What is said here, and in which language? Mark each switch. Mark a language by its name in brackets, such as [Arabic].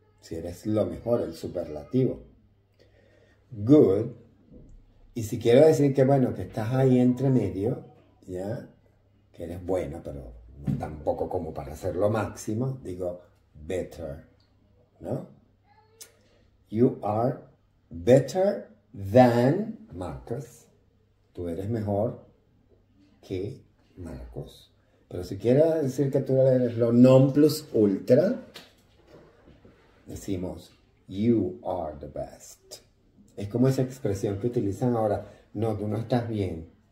[Spanish] Si eres lo mejor, el superlativo. [English] Good. [Spanish] Y si quiero decir que, bueno, que estás ahí entre medio, ¿ya? Que eres bueno, pero no tampoco como para hacer lo máximo, digo, better, ¿no? [English] You are better than Marcos. [Spanish] Tú eres mejor que Marcos. Pero si quieres decir que tú eres lo non plus ultra, decimos, [English] you are the best. [Spanish] Es como esa expresión que utilizan ahora. No, tú no estás bien.